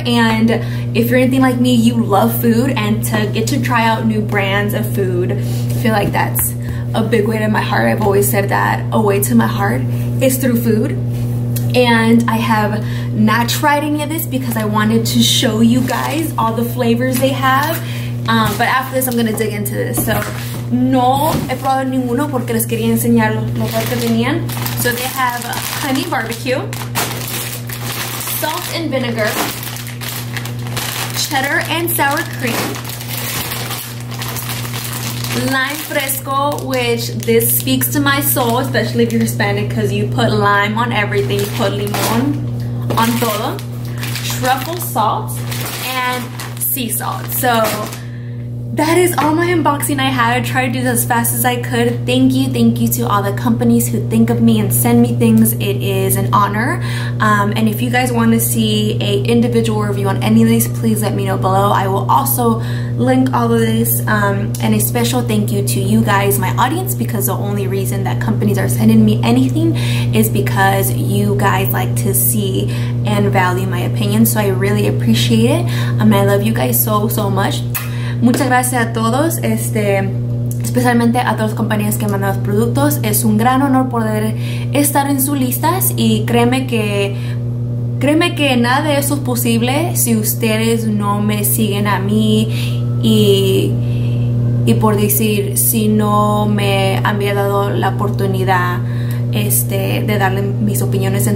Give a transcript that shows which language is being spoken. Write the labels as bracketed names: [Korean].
[English] And if you're anything like me, you love food, and to get to try out new brands of food, I feel like that's a big way to my heart. I've always said that a way to my heart is through food. And I have not tried any of this because I wanted to show you guys all the flavors they have. But after this, I'm gonna dig into this. [Spanish] So, no he probado ninguno porque les quería enseñar lo que venían. [English] So they have honey barbecue, salt and vinegar, cheddar and sour cream, lime fresco, which this speaks to my soul, especially if you're Hispanic, because you put lime on everything. You put limon on todo, truffle salt, and sea salt. So that is all my unboxing I had. I tried to do this as fast as I could. Thank you to all the companies who think of me and send me things. It is an honor. And if you guys want to see a individual review on any of these, please let me know below. I will also link all of this. And a special thank you to you guys, my audience, because the only reason that companies are sending me anything is because you guys like to see and value my opinion. So I really appreciate it. I love you guys so, so much. [Spanish] Muchas gracias a todos, especialmente a todas las compañías que mandan los productos. Es un gran honor poder estar en sus listas, y créeme que nada de eso es posible si ustedes no me siguen a mí y por decir, si no me han dado la oportunidad de darle mis opiniones.